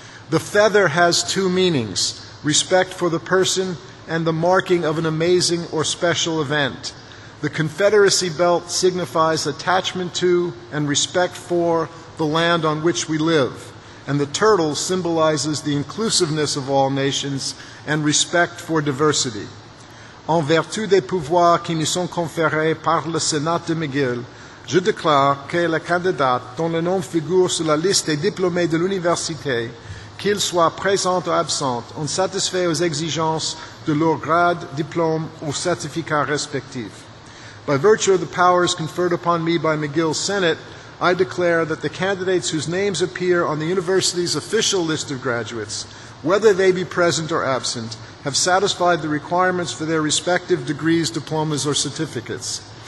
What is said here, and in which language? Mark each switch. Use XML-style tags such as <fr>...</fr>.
<en>The feather has two meanings, respect for the person and the marking of an amazing or special event. The Confederacy belt signifies attachment to and respect for the land on which we live. And the turtle symbolizes the inclusiveness of all nations and respect for diversity.</en> <fr>En vertu des pouvoirs qui nous sont conférés par le Sénat de McGill, je déclare que le candidat dont le nom figure sur la liste des diplômés de l'université, qu'il soit présent ou absent, ont satisfait aux exigences de leur grade, diplôme ou certificat respectif.</fr> <en>By virtue of the powers conferred upon me by McGill's Senate, I declare that the candidates whose names appear on the university's official list of graduates, whether they be present or absent, have satisfied the requirements for their respective degrees, diplomas, or certificates.</en>